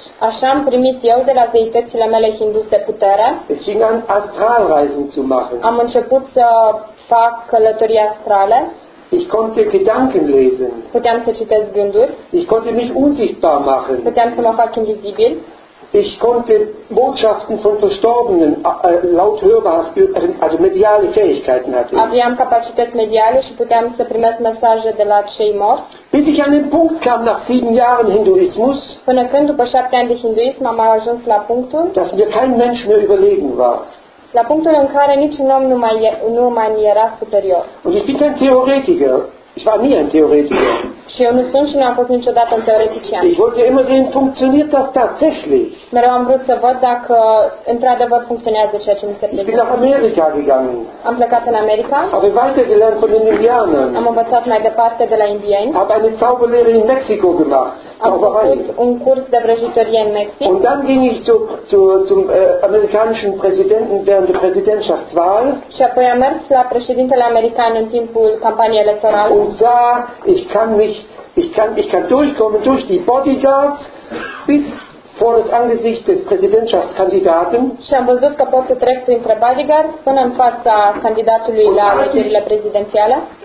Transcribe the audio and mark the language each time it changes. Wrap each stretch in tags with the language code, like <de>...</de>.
<ro>Așa am primit eu de la zeitățile mele hinduse putere.</ro> <de>Es fing an, Astralreisen zu machen.</de> <ro>Am început să fac călătorii astrale.</ro> <de>Ich konnte Gedanken lesen.</de> <ro>Puteam să citesc gânduri.</ro> <de>Ich konnte mich unsichtbar machen.</de> <ro>Puteam să mă fac invizibil.</ro> <de>Ich konnte Botschaften von Verstorbenen laut hörbar, also mediale Fähigkeiten hatte.</de> <ro>Aveam capacități mediale și puteam să primesc mesaje de la cei morți.</ro> <de>Bis ich an den Punkt kam nach 7 Jahren Hinduismus,</de> <ro>până când după 7 ani de hinduism am ajuns la punctul,</ro> <de>dass mir kein Mensch mehr überlegen war.</de> <ro>La punctul în care niciun om nu mai era superior.</ro> <de>Und ich bin kein Theoretiker. Ich war nie ein Theoretiker.</de> <ro>Eu nu sunt și nu am fost niciodată un teoretician.</ro> <de>Ich wollte immer sehen, funktioniert das tatsächlich.</de> <ro>Mereu am vrut să văd dacă într-adevăr funcționează ceea ce mi se predică.</ro> <de>Ich bin nach Amerika gegangen.</de> <ro>Am plecat în America.</ro> <de>Habe weitergelernt von den Indianern.</de> <ro>Am învățat mai departe de la indieni.</ro> <de>Habe eine Zauberlehre in Mexiko gemacht.</de> <ro>Am făcut un curs de vrăjitorie în Mexic.</ro> <de>Und dann ging ich zum amerikanischen Präsidenten während der Präsidentschaftswahl.</de> <ro>Și apoi am mers la președintele american în timpul campaniei electorale.</ro> <de>Und sah, ich kann durchkommen durch die Bodyguards bis vor das Angesicht des Präsidentschaftskandidaten.</de> <ro>Și am văzut că pot să trec printre bodyguards până în fața candidatului la alegerile prezidențiale.</ro>